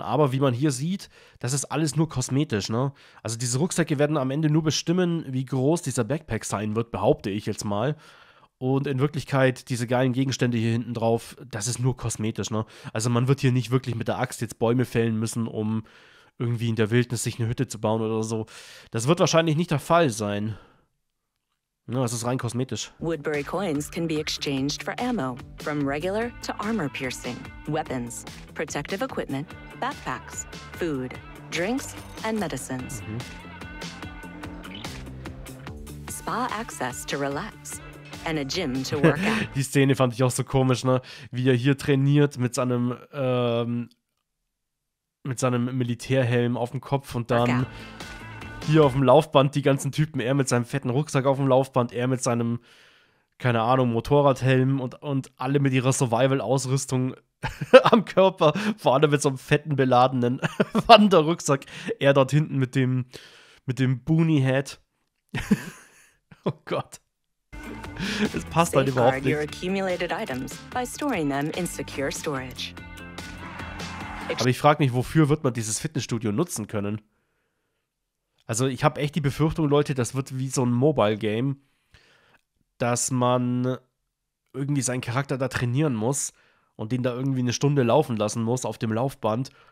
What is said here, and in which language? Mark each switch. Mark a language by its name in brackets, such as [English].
[German] Aber wie man hier sieht, das ist alles nur kosmetisch, ne? Also diese Rucksäcke werden am Ende nur bestimmen, wie groß dieser Backpack sein wird, behaupte ich jetzt mal. Und in Wirklichkeit, diese geilen Gegenstände hier hinten drauf, das ist nur kosmetisch, ne? Also man wird hier nicht wirklich mit der Axt jetzt Bäume fällen müssen, um irgendwie in der Wildnis sich eine Hütte zu bauen oder so. Das wird wahrscheinlich nicht der Fall sein. Ja, es ist rein kosmetisch. [English] Woodbury coins can be exchanged for ammo, from regular to armor piercing, weapons, protective equipment, backpacks, food, drinks and medicines. Spa access to relax and a gym to work out. [German] Die Szene fand ich auch so komisch, ne? Wie er hier trainiert mit seinem Militärhelm auf dem Kopf und dann hier auf dem Laufband die ganzen Typen, er mit seinem fetten Rucksack auf dem Laufband, er mit seinem keine Ahnung, Motorradhelm und alle mit ihrer Survival-Ausrüstung am Körper, vor allem mit so einem fetten, beladenen Wanderrucksack. Er dort hinten mit dem Boonie-Hat. Oh Gott. Es passt halt überhaupt nicht. [English] Your accumulated items by storing them in secure storage. [German] Aber ich frage mich, wofür wird man dieses Fitnessstudio nutzen können? Also ich habe echt die Befürchtung, Leute, das wird wie so ein Mobile-Game, dass man irgendwie seinen Charakter da trainieren muss und den da irgendwie eine Stunde laufen lassen muss auf dem Laufband.